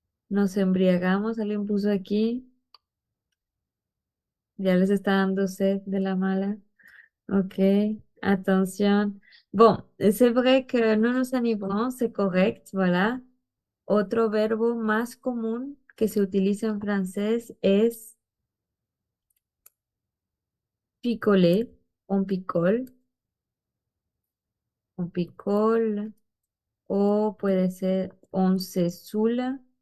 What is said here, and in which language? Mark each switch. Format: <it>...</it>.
<es>Nos embriagamos, alguien puso aquí. Ya les está dando sed de la mala. Ok, atención.</es> <fr>Bon, c'est vrai que nous nous enivrons, c'est correct, voilà.</fr> <es>Otro verbo más común que se utiliza en francés es picoler,</es> <fr>on picole. On picole,</fr> <es>O puede ser Oncezula.</es>